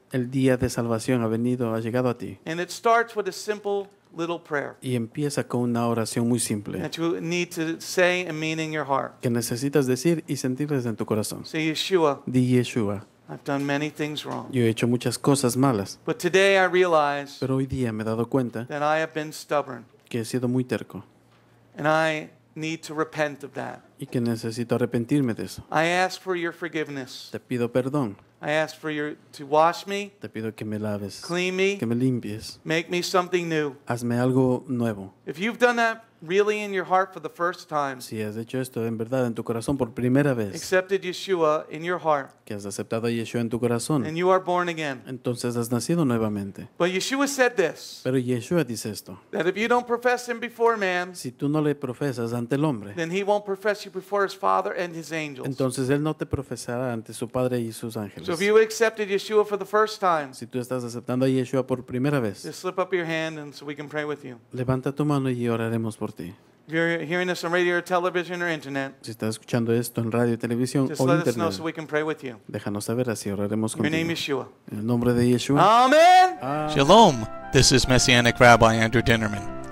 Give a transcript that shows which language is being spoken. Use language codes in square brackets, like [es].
[es] El día de salvación ha llegado a ti. [en] And it starts with a simple little prayer. [es] Y empieza con una oración muy simple. [en] That you need to say and mean in your heart. [es] Que necesitas decir y sentir desde tu corazón. [en] Say Yeshua. [es] Di Yeshua. [en] I've done many things wrong. [es] Yo he hecho muchas cosas malas. [en] But today I realize. [es] Pero hoy día me he dado cuenta. [en] That I have been stubborn. [es] Que he sido muy terco. [en] And I need to repent of that. [es] Y que necesito arrepentirme de eso. [en] I ask for your forgiveness. [es] Te pido perdón. [en] I ask for you to wash me. [es] Te pido que me laves. [en] Clean me. [es] Que me limpies. [en] Make me something new. [es] Hazme algo nuevo. [en] If you've done that really in your heart for the first time. [es] Si has hecho esto en verdad en tu corazón por primera vez. [en] Accepted Yeshua in your heart. [es] Que has aceptado a Yeshua en tu corazón. [en] And you are born again. [es] Entonces has nacido nuevamente. [en] But Yeshua said this. [es] Pero Yeshua dice esto. [en] That if you don't profess him before man. [es] Si tú no le profesas ante el hombre. [en] Then he won't profess you before his father and his angels. [es] Entonces él no te profesará ante su padre y sus ángeles. [en] So if you accepted Yeshua for the first time. [es] Si tú estás aceptando a Yeshua por primera vez. [en] Just slip up your hand and so we can pray with you. [es] Levanta tu mano y oraremos por ti. [en] If you're hearing this on radio or television or internet, [es] si estás escuchando esto en radio, televisión o internet, [en] just let us know so we can pray with you. [es] Déjanos saber, así oraremos contigo. [en] Your name is Yeshua. [es] En el nombre de Yeshua. [en] Amen. Shalom. This is Messianic Rabbi Andrew Dinnerman.